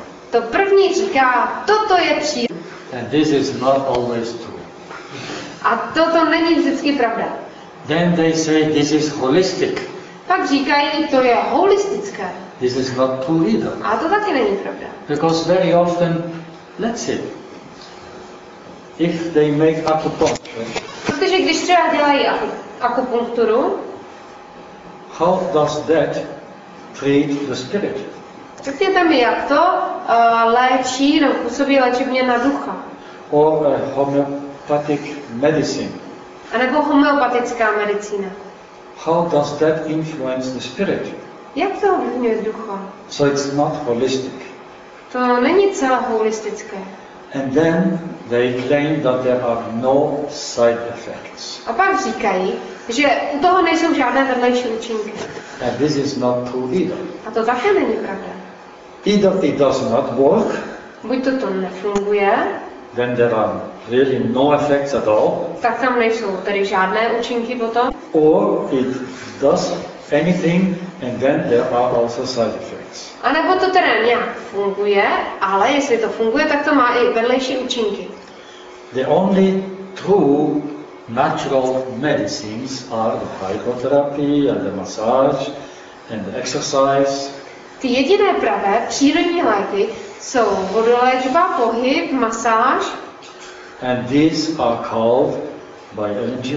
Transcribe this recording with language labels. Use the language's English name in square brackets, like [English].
[Czech] To první říká, toto je přírodní. [English] And this is not always true. [Czech] A toto není vždycky pravda. [English] Then they say this is holistic. [Czech] Pak říkají, to je holistické. [English] This is not true either. [Czech] A to taky není pravda. [English] Because very often, let's see, if they make acupuncture. [Czech] Protože když třeba dělají akupunkturu, [English] how does that treat the spirit? [Czech] Řekněte mi, jak to léčí, nebo působí léčivně na ducha. [English] Or a homeopathic medicine. [Czech] A nebo homeopatická medicína. [English] How does that influence the spirit? [Czech] Jak to ovlivňuje ducha? [English] So it's not holistic. [Czech] To není celé holistické. [English] And then they claim that there are no side effects. [Czech] A pak říkají, že u toho nejsou žádné vedlejší účinky. [English] And this is not true either. [Czech] A to také není pravda. [English] Either it does not work. [Czech] Buď to nefunguje. [English] Then there are really no effects at all. [Czech] Tak tam nejsou tedy žádné účinky potom. [English] Or it does anything and then there are also side effects. [Czech] A nebo to teda nějak funguje, ale jestli to funguje, tak to má i vedlejší účinky. [English] The only true natural medicines are the hydrotherapy and the massage and the exercise. [Czech] Ty jediné pravé přírodní léky jsou vodoléčba, pohyb, masáž. [English] And these are called by Ellen G.